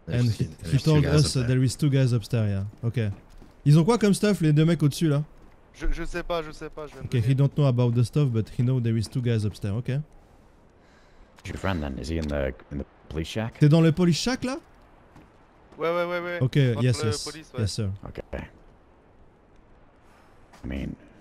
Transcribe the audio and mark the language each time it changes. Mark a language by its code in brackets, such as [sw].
[en] And he told us there is two guys upstairs, yeah. Okay. [fr] Ils ont quoi comme stuff, les deux mecs au-dessus, là? Je sais pas. [en] Okay, he don't know about the stuff, but he know there is two guys upstairs, okay. Who's your friend, then? Is he in the police shack? [fr] T'es dans le police shack, là? Ouais. [en] Okay, yes, police, ouais. Yes, sir. Okay. I mean,